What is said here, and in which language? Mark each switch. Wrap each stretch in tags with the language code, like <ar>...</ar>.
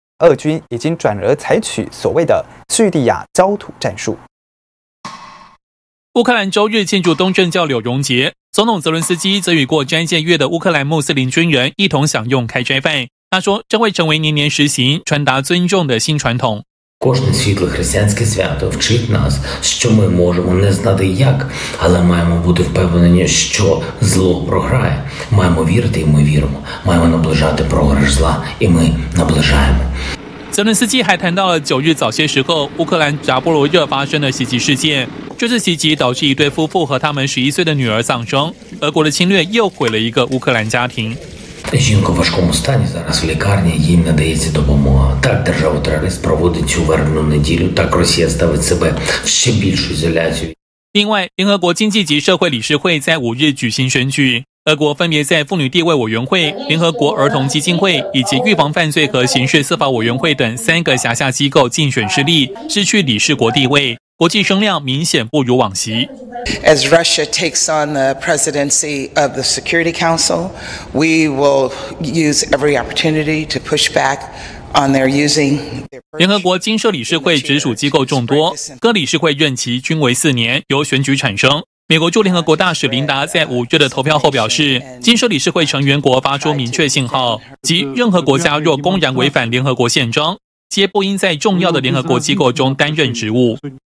<zh>俄军已经转而采取所谓的叙利亚焦土战术。乌克兰周日庆祝东正教柳荣节，总统泽伦斯基则与过斋戒月的乌克兰穆斯林军人一同享用开斋饭。他说，这会成为年年实行、传达尊重的新传统。</zh> <uk>Кожне світле християнське свято вчить нас, що ми можемо не знати як, але маємо бути впевнені, що зло програє. Маємо вірити, і ми віримо. Маємо наближати програш зла, і ми наближаємо.</uk> <zh>泽伦斯基还谈到了九日早些时候乌克兰扎波罗热发生的袭击事件，这次袭击导致一对夫妇和他们11岁的女儿丧生。俄国的侵略又毁了一个乌克兰家庭。</zh> <uk>Жінка в важкому стані зараз в лікарні, їй надається допомога. Так держава терорист проводить цю вербну неділю, так Росія ставить себе в ще більшу ізоляцію.</uk> <zh>另外，联合国经济及社会理事会在五日举行选举，俄国分别在妇女地位委员会、联合国儿童基金会以及预防犯罪和刑事司法委员会等三个辖下机构竞选失利，失去理事国地位。国际声量明显不如往昔。</zh> <en>As Russia takes on the presidency of the Security Council, we will use every opportunity to push back on their using.</en> <zh>联合国金社理事会直属机构众多，各理事会任期均为4年，由选举产生。美国驻联合国大使琳达在五月的投票后表示，金社理事会成员国发出明确信号，即任何国家若公然违反联合国宪章，皆不应在重要的联合国机构中担任职务。</zh>